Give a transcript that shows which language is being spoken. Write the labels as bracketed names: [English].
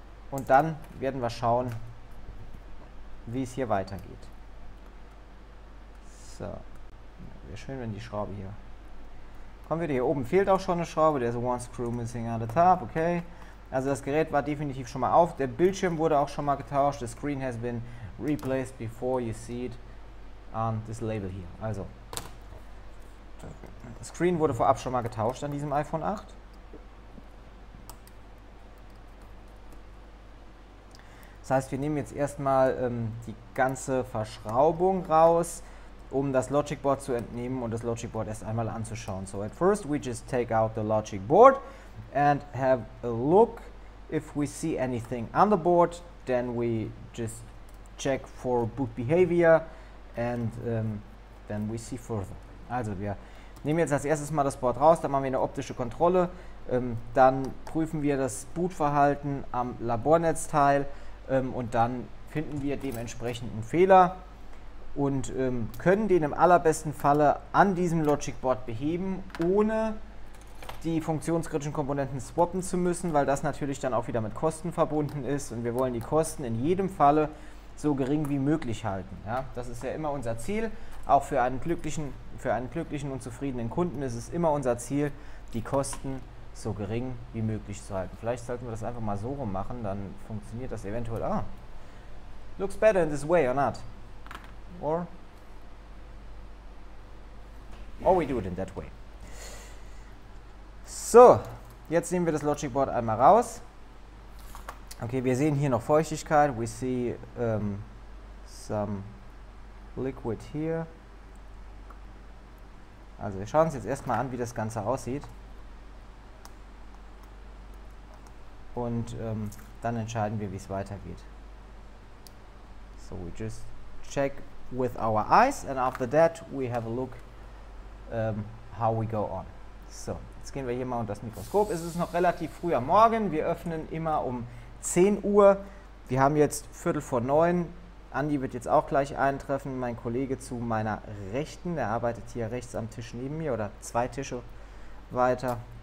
[German] Und dann werden wir schauen, wie es hier weitergeht. So. Wäre schön, wenn die Schraube hier... Kommen wir hier oben, fehlt auch schon eine Schraube. [English] There's one screw missing on the top. Okay. [German] Also das Gerät war definitiv schon mal auf. Der Bildschirm wurde auch schon mal getauscht. [English] The screen has been replaced before you see it on this label here. [German] Also, das Screen wurde vorab schon mal getauscht an diesem iPhone 8. Das heißt, wir nehmen jetzt erstmal die ganze Verschraubung raus, um das Logic Board zu entnehmen und das Logic Board erst einmal anzuschauen. [English] So, at first we just take out the Logic Board and have a look. If we see anything on the board, then we just check for boot behavior and then we see further. [German] Also wir nehmen jetzt als erstes mal das Board raus, dann machen wir eine optische Kontrolle, dann prüfen wir das Bootverhalten am Labornetzteil und dann finden wir dementsprechend einen Fehler und können den im allerbesten Falle an diesem Logic Board beheben, ohne die funktionskritischen Komponenten swappen zu müssen, weil das natürlich dann auch wieder mit Kosten verbunden ist und wir wollen die Kosten in jedem Falle so gering wie möglich halten. Ja, das ist ja immer unser Ziel. Auch für einen glücklichen und zufriedenen Kunden ist es immer unser Ziel, die Kosten so gering wie möglich zu halten. Vielleicht sollten wir das einfach mal so rum machen, dann funktioniert das eventuell. [English] Ah, looks better in this way or not? Or we do it in that way. [German] So, jetzt nehmen wir das Logic Board einmal raus. Okay, wir sehen hier noch Feuchtigkeit. [English] We see some liquid here. [German] Also wir schauen uns jetzt erstmal an, wie das Ganze aussieht. Und dann entscheiden wir, wie es weitergeht. [English] So, we just check with our eyes and after that we have a look how we go on. [German] So, jetzt gehen wir hier mal unter das Mikroskop. Es ist noch relativ früh am Morgen. Wir öffnen immer um 10 Uhr. Wir haben jetzt 8:45. Andi wird jetzt auch gleich eintreffen, mein Kollege zu meiner Rechten. Der arbeitet hier rechts am Tisch neben mir oder zwei Tische weiter.